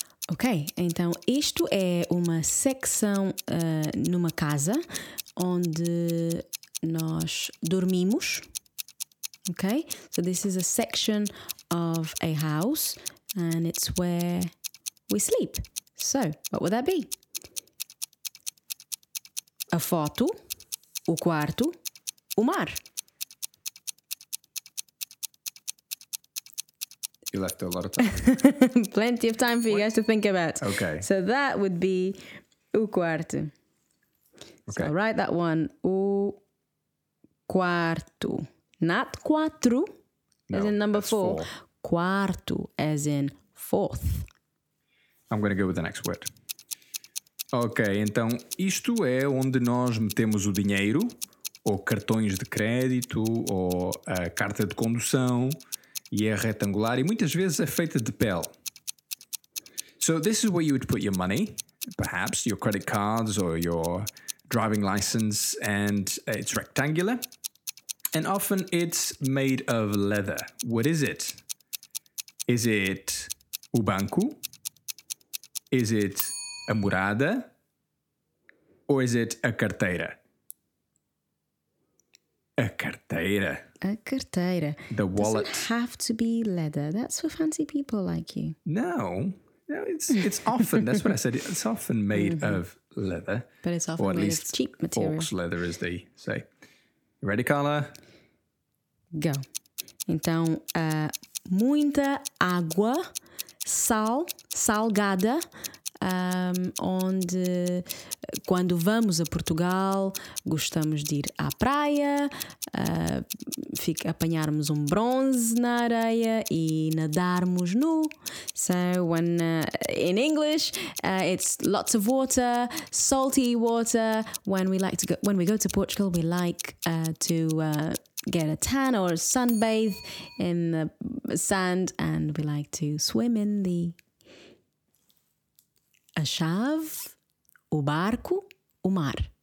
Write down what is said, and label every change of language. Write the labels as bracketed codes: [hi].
[pt] Ok, então isto é uma secção numa casa onde nós dormimos. [en] Ok? So this is a section of a house and it's where we sleep. So, what would that be? [pt] A foto, o quarto, o mar. [en] You left a lot of time. Plenty of time for you guys to think about. Okay. So that would be o quarto. Okay. So I'll write that one. O quarto. Not quatro, no, as in number four. Quarto, as in fourth. I'm going to go with the next word. [pt] Ok, então isto é onde nós metemos o dinheiro, ou cartões de crédito, ou a carta de condução, e é retangular, e muitas vezes é feita de pele. [en] So this is where you would put your money, perhaps, your credit cards, or your driving license, and it's rectangular. And often it's made of leather. What is it? Is it [pt] o banco? [en] Is it [pt] a morada? [en] Or is it a carteira? [pt] A carteira. A carteira. [en] The wallet. Doesn't have to be leather. That's for fancy people like you. No. No, it's often, that's what I said, it's often made mm-hmm. of leather. But it's often made of cheap material. Orcs leather, as they say. You ready, Carla? [pt] Go. Então, muita água, sal, salgada. Onde, quando vamos a Portugal, gostamos de ir à praia, apanharmos um bronze na areia e nadarmos nu. [en] So, when in English, it's lots of water, salty water. When we go to Portugal, we like get a tan or sunbathe in the sand, and we like to swim in the [pt] a chave, o barco, o mar.